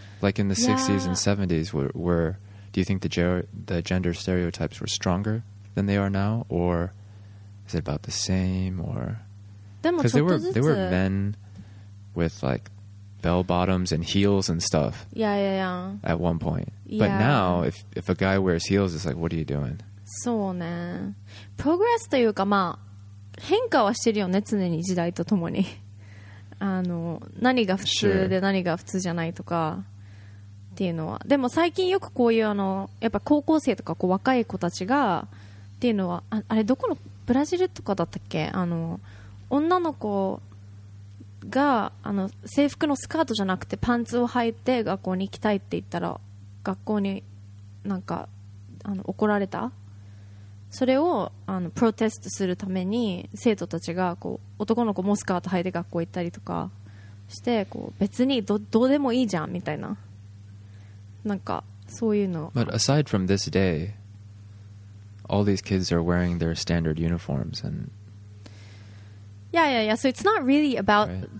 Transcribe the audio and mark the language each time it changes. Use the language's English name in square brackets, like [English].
[English] Like in the 60s and 70s, do you think the gender stereotypes were stronger than they are now? Or is it about the same? Or... Because there were men with like bell bottoms and heels and stuff. Yeah, yeah, yeah. At one point. Yeah. But now, if a guy wears heels, it's like, what are you doing? [Japanese] そうね。 Progress というかまあ変化はしてるよね、常に時代とともにあの何が普通で何が普通じゃないとかっていうのは、でも最近よくこういうあのやっぱ高校生とかこう若い子たちがっていうのは、 あれどこのブラジルとかだったっけ、あの女の子があの制服のスカートじゃなくてパンツを履いて学校に行きたいって言ったら学校になんかあの怒られた、それをあのプロテストするために生徒たちがこう男の子もスカート履いて学校行ったりとかして、こう別に どうでもいいじゃんみたいな、なんかそういうの。 [English] But aside from this day, all these kids are wearing their standard uniforms and yeah yeah yeah, so it's not really about right.